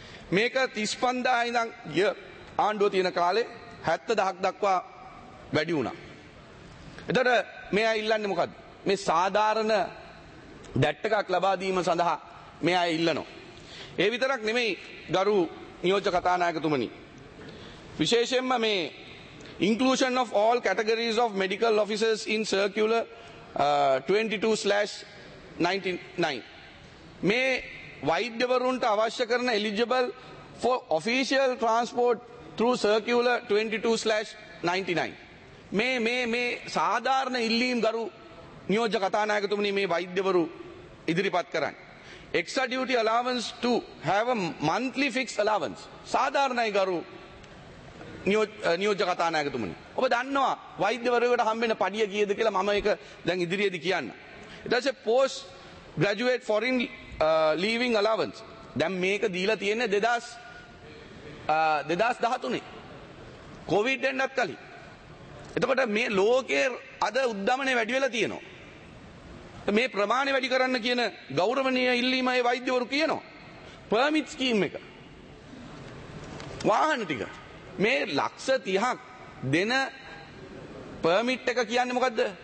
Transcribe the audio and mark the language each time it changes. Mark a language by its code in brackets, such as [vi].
[si] මේක 35,000 ඉඳන් ය ආණ්ඩුව තියෙන කාලේ 70,000 දක්වා වැඩි වුණා. එතකොට මේ අය ඉල්ලන්නේ මොකද්ද? මේ සාධාරණ ඩැට් එකක් ලබා දීම සඳහා මේ අය ඉල්ලනවා. ඒ විතරක් නෙමෙයි ගරු නියෝජ කතානායකතුමනි. විශේෂයෙන්ම මේ [en] inclusion of all categories of medical officers in circular 22/99. [si] මේ වෛද්‍යවරුන්ට අවශ්‍ය කරන [en] eligible for official transport through circular 22/99. [si] මේ මේ මේ සාධාරණ ඉල්ලීම් ගරු නියෝජ කතානායකතුමනි මේ වෛද්‍යවරු ඉදිරිපත් කරන්නේ. [en] Extra duty allowance to have a monthly fixed allowance. [si] සාධාරණයි ගරු නියෝජ කතානායකතුමනි. ඔබ දන්නවා වෛද්‍යවරයෙකුට හම්බෙන පඩිය කීයද කියලා මම ඒක දැන් ඉදිරියේදී කියන්න. [en] It is a post graduate foreign leaving allowance. [si] දැන් මේක දීලා තියෙන්නේ 2013. COVID එන්නත් කලින්. එතකොට මේ ලෝකයේ අද උද්දමනේ වැඩි වෙලා තියෙනවා. මේ ප්‍රමාණය වැඩි කරන්න කියන ගෞරවනීය ඉල්ලීමයි වෛද්‍යවරු කියනවා. පර්මිට් ස්කීම් එක වාහන ටික මේ ලක්ෂ 30ක් දෙන පර්මිට් එක කියන්නේ මොකද්ද?